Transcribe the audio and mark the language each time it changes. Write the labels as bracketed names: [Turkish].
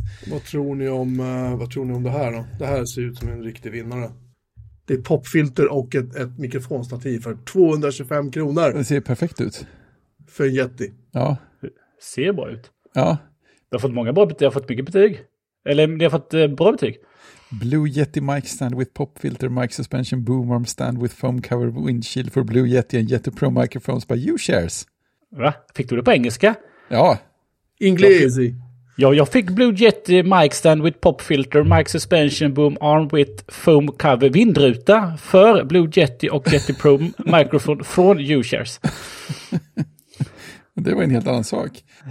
[Swedish] Vad tror ni om det här då? Det här ser ut som en riktig vinnare. Det är popfilter och ett mikrofonstativ för 225 kronor. Det ser perfekt ut. För en Yeti. Ja. Ser bra ut. Ja. Jag har fått många bra betyg, jag har fått mycket betyg. Eller jag har fått bra betyg. [English] Blue Yeti mic stand with pop filter, mic suspension, boom arm stand with foam cover windshield for Blue Yeti and Yeti Pro microphones by U-Shares. [Swedish] Va? Fick du det på engelska? Ja. [English] English. [Swedish] Jag fick [English] Blue Yeti mic stand with pop filter, mic suspension, boom arm with foam cover [Swedish] vindruta för [English] Blue Yeti [Swedish] och [English] Yeti Pro microphone [Swedish] från [English] U-Shares. [Swedish] Det var en helt annan sak.